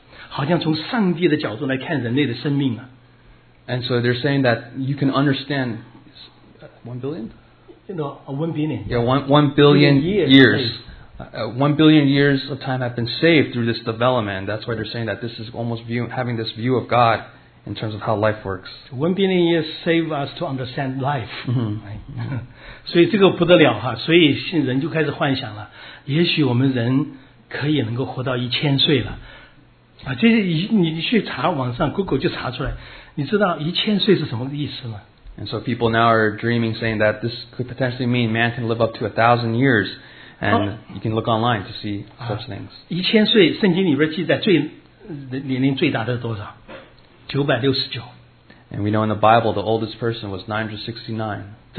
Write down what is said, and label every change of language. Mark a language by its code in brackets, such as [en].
[zh] 这个可以节约人十亿百亿，应该是10 billion，就是一这个人这个是开发这个alpha-fold-3的人说，可以为我们人类节约100亿年的时间呢。这就是所谓的上帝的视角，好像从上帝的角度来看人类的生命啊。 [en] And so they're saying that you can understand 1 billion? No, 1 billion. Yeah, one billion years. Hey. 1 billion years of time have been saved through this development. That's why they're saying that this is almost view, having this view of God in terms of how life works. 1 billion years save us to understand life. Mm-hmm. [zh] 所以这个不得了哈, 所以人就开始幻想了, 也许我们人可以能够活到1000岁了。你去查网上,Google就查出来。你知道1000岁是什么意思吗? [en] And so people now are dreaming, saying that this could potentially mean man can live up to 1,000 years, and you can look online to see such things. [zh] 1000岁，圣经里边记载最年龄最大的是多少? 969. [en] And we know in the Bible the oldest person was 969.